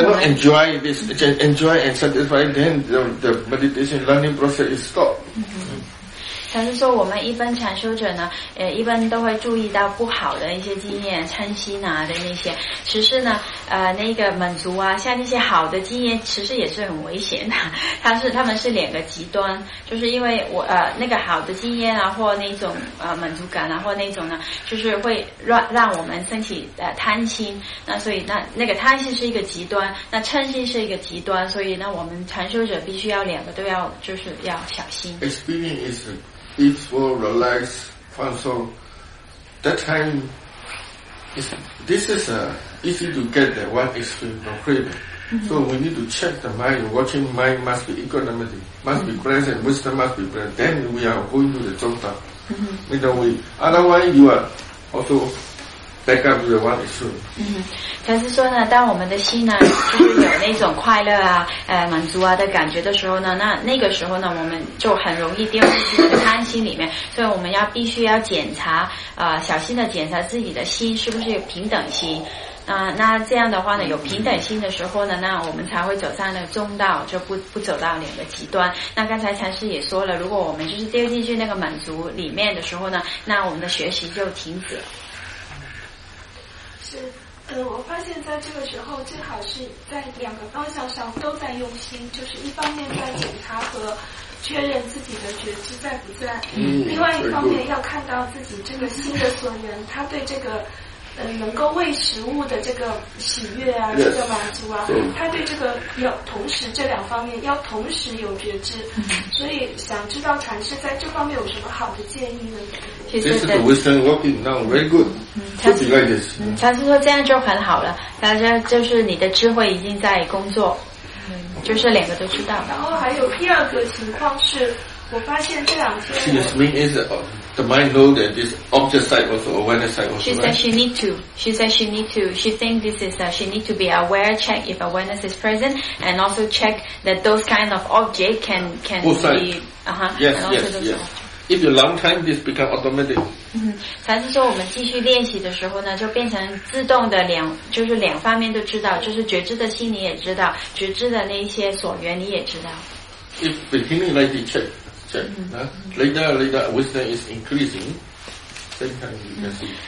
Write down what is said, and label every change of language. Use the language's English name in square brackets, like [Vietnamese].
[Chinese] 我们 [English] enjoy and satisfy, then the meditation learning process is stopped. [Chinese] 禅师说我们一般禅修者呢，一般都会注意到不好的一些经验，嗔心啊的那些，其实呢，那个满足啊，像那些好的经验，其实也是很危险的。他们是两个极端，就是因为我那个好的经验啊，或那种满足感啊，或那种呢，就是会让我们升起贪心。那所以那个贪心是一个极端，那嗔心是一个极端，所以那我们禅修者必须要两个都要，就是要小心。 [English] Peaceful, relaxed, fun. So that time, this is easy to get the one extreme, no craving. Mm-hmm. So we need to check the mind. Watching mind must be equanimity, must mm-hmm. be present, wisdom must be present. Then we are going to the Zongta. Mm-hmm. In the way, otherwise you are also back up to the one extreme. Mm-hmm. [Chinese] 禅师说呢，当我们的心呢，就是有那种快乐啊、满足啊的感觉的时候呢，那个时候呢，我们就很容易掉入自己的贪心里面。所以我们必须要检查，小心的检查自己的心是不是有平等心。那这样的话呢，有平等心的时候呢，那我们才会走上那个中道，就不走到两个极端。那刚才禅师也说了，如果我们就是掉进去那个满足里面的时候呢，那我们的学习就停止了。是。我发现在这个时候最好是在两个方向上都在用心，就是一方面在检查和确认自己的觉知在不在，另外一方面要看到自己这个心的所缘，他对这个能够喂食物的这个喜悦啊，这个满足啊，他对这个要同时，这两方面要同时有觉知。所以想知道禅师在这方面有什么好的建议呢？ [English] This is the wisdom working now, very good. Should be like this. [Chinese] 禅师说这样就很好了，大家就是你的智慧已经在工作，就是两个都知道。然后还有第二个情况是，我发现这两天。 [English] She just means is the mind know that this object side also awareness side also. She said she need to. She said she need to. She think this is she need to be aware, check if awareness is present, and also check that those kind of object can both side. Be. Yes. If you long time, this become automatic. [Chinese] 禅师说我们继续练习的时候呢，就变成自动的就是两方面都知道，就是觉知的心你也知道，觉知的那些所缘你也知道。 [English] If beginning like this, check. Later, wisdom is increasing. Same time, you can see.